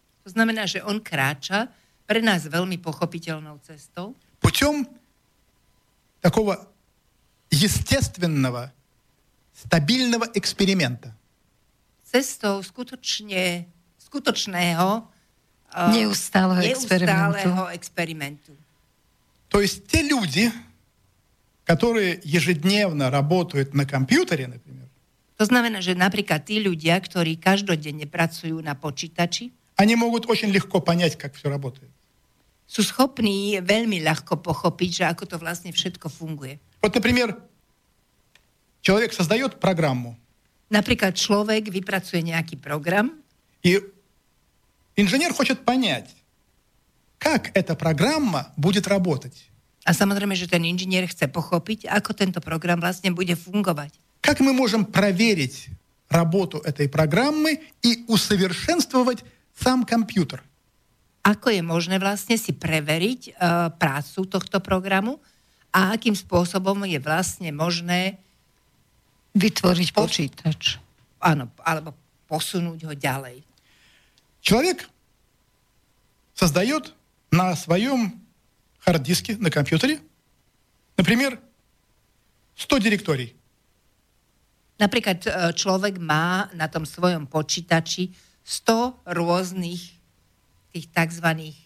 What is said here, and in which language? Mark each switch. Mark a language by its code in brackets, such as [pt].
[sk] To znamená, že on kráča pre nás veľmi pochopiteľnou cestou. [ru] Путём такого естественного, стабильного эксперимента. [sk] Cestou skutočne, skutočného neustáleho experimentu. [ru] То есть те люди, которые ежедневно работают на компьютере, например. [sk] То znamená, že napríklad tí ľudia, ktorí každodenne pracujú na počítači, [ru] они могут очень легко понять, как всё работает. [sk] Sú schopní veľmi ľahko pochopiť, že ako to vlastne všetko funguje. [ru] Вот, например, человек создаёт программу. [sk] Napríklad človek vypracuje nejaký program. [ru] И инженер хочет понять, как эта программа будет работать? [sk] А samozrejme, že ten inžinier chce pochopiť, ako tento program vlastne bude fungovať. [ru] Как мы можем проверить работу этой программы и усовершенствовать сам компьютер? [sk] Ako je možné vlastne si preveriť prácu tohto programu a akým spôsobom je vlastne možné vytvoriť počítač? Áno, alebo posunúť ho ďalej. [ru] Človek создаёт на своем хард-диске, на компьютере, например, 100 директорий. Например, человек ма на том своем почитаче 100 разных тих так званых...